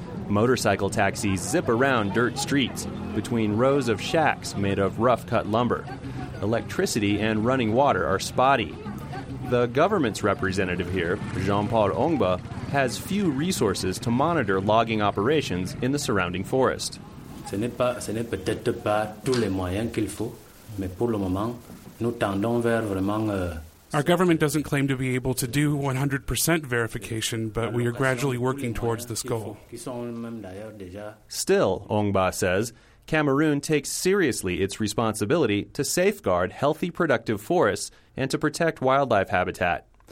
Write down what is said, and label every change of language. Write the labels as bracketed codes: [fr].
[en] Motorcycle taxis zip around dirt streets between rows of shacks made of rough-cut lumber. Electricity and running water are spotty. The government's representative here, Jean-Paul Ongba, has few resources to monitor logging operations in the surrounding forest. [fr] Ce n'est peut-être pas tous les moyens qu'il faut, mais pour le moment, nous tendons vers vraiment... [en] Our government doesn't claim to be able to do 100% verification, but we are gradually working towards this goal. Still, Ongba says, Cameroon takes seriously its responsibility to safeguard healthy, productive forests and to protect wildlife habitat.